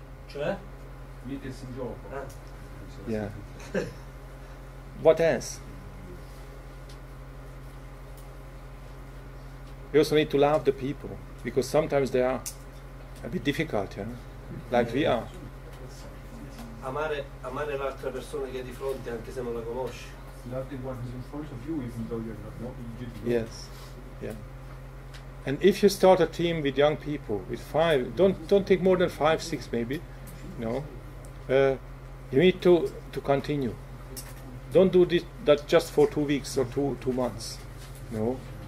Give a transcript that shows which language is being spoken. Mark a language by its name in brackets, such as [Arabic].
[Italian] Cioè? [English] Meet this in job. Yeah. What else? You also need to love the people, because sometimes they are a bit difficult, yeah? Like we are. [Italian] Amare l'altra persona che è di fronte anche se non la conosci. [English] Love the one who's in front of you even though you're not. Yes. Yeah. And if you start a team with young people, with five, don't take more than 5-6 maybe. No. You need to continue. Don't do that just for 2 weeks or two months. No.